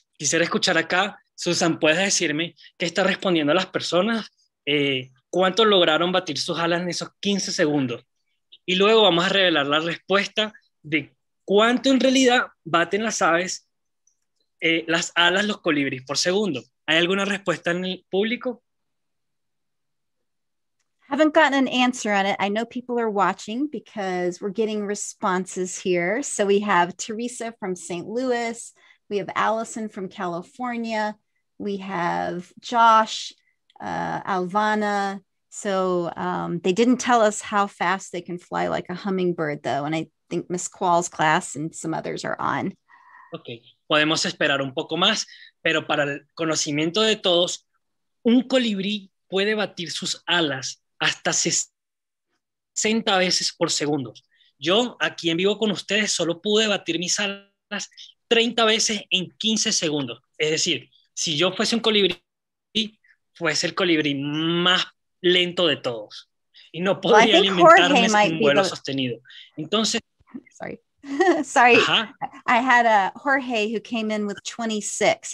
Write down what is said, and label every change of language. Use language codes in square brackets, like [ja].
[es] Quisiera escuchar acá, Susan, ¿puedes decirme qué está respondiendo a las personas? ¿Cuánto lograron batir sus alas en esos 15 segundos? Y luego vamos a revelar la respuesta de cuánto en realidad baten las aves, las alas, los colibríes por segundo. ¿Hay alguna respuesta en el público? [en] Haven't gotten an answer on it. I know people are watching because we're getting responses here. So we have Teresa from St. Louis. We have Allison from California. We have Josh, Alvana. So they didn't tell us how fast they can fly like a hummingbird, though. And I think Miss Qual's class and some others are on. Okay. [es] Podemos esperar un poco más, pero para el conocimiento de todos, un colibrí puede batir sus alas hasta 60 veces por segundo. Yo, aquí en vivo con ustedes, solo pude batir mis alas 30 veces en 15 segundos. Es decir, si yo fuese un colibrí, fuese el colibrí más lento de todos. Y no podría alimentarme sin un vuelo sostenido. Entonces, [en] Sorry. Uh-huh. I had a Jorge who came in with 26.